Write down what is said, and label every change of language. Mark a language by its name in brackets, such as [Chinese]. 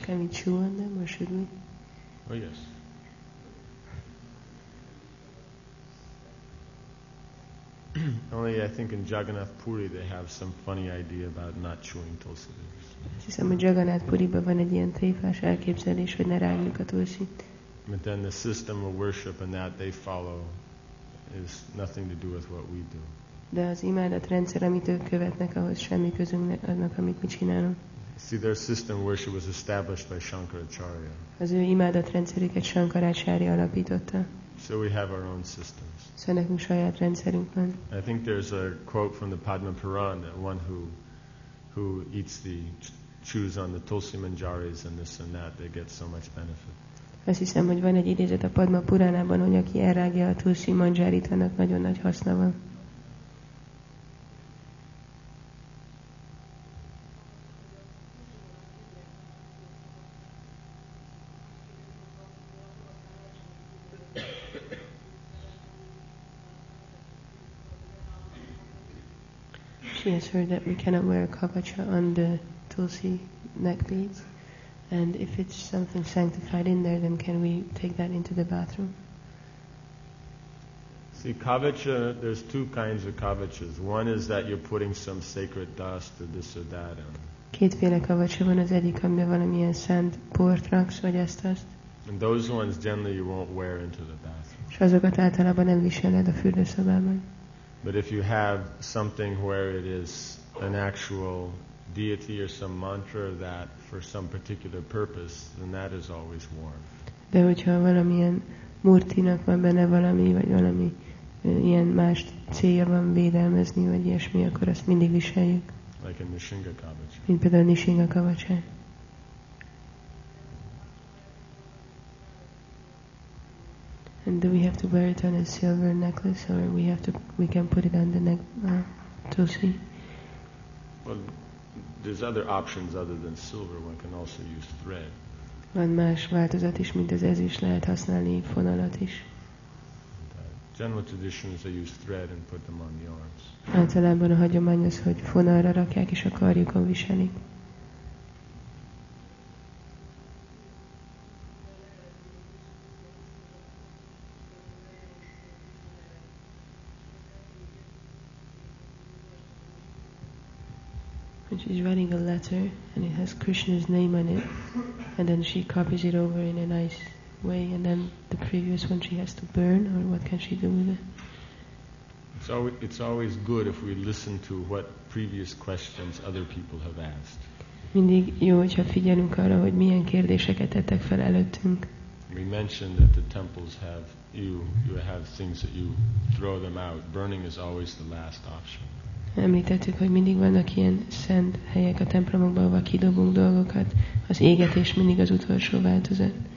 [English] Can we chew on them or should we? Oh, yes. Only I think in Jagannath Puri they have some funny idea about not chewing tulsi leaves. [Hungarian] Hiszem, hogy Jagannath Puriban van egy ilyen tévhás elképzelés, hogy ne rágjuk a tulsit. [English] But then the system of worship and that they follow is nothing to do with what we do. [Hungarian] De az imádatrendszer, amit ők követnek, ahhoz semmi közünk annak, amit mi csinálunk. [English] See, their system worship was established by Shankaracharya. [Hungarian] Az ő imádatrendszerüket Shankaracharya alapította. [English] So we have our own systems. [Hungarian] Szóval nekünk saját rendszerünk van. [English] I think there's a quote from the Padma Puran that one who eats the chews on the tulsi manjaris and this and that, they get so much benefit. [Hungarian] Azt hiszem, hogy van egy idézet a Padma Puránában, hogy aki elrágja a tulsi manjarit, annak nagyon nagy haszna van. [English] She has heard that we cannot wear a kavacha on the tulsi neck beads, And if it's something sanctified in there, then can we take that into the bathroom? See, kavacha, there's two kinds of kavachas. One is that you're putting some sacred dust or this or that in. [Hungarian] Kétféle kavacsa van, az egyik, amiben valamilyen szent port raksz, vagy ezt-azt. [English] And those ones generally you won't wear into the bathroom. [Hungarian] És azokat általában nem viseled a fürdőszobában. [English] But if you have something where it is an actual deity or some mantra that for some particular purpose, then that is always worn. [Hungarian] De hogyha valamilyen murtinak van benne valami, vagy valami ilyen más célja van védelmezni, vagy ilyesmi, akkor azt mindig viseljük. [English] Like a Nishinga kavacha. [Hungarian] Mint például a Nishinga kavacsa. [English] And do we have to wear it on a silver necklace, or we can put it on the neck tulsi? Well, there's other options other than silver. One can also use thread. [Hungarian] Van más változat is, mint az ezüst, lehet használni fonalat is. [English] General tradition is they use thread and put them on the arms. [Hungarian] Általában a hagyomány az, hogy fonalra rakják és a karjukon viselik. [English] She's writing a letter and it has Krishna's name on it, and then she copies it over in a nice way, and then the previous one she has to burn, or what can she do with it? It's always good if we listen to what previous questions other people have asked. [Hungarian] Mindig jó, hogyha figyelünk arra, hogy milyen kérdéseket tettek fel előttünk. [English] We mentioned that the temples have you have things that you throw them out. Burning is always the last option. [Hungarian] Említettük, hogy mindig vannak ilyen szent helyek a templomokban, ahol kidobunk dolgokat. Az égetés mindig az utolsó változat.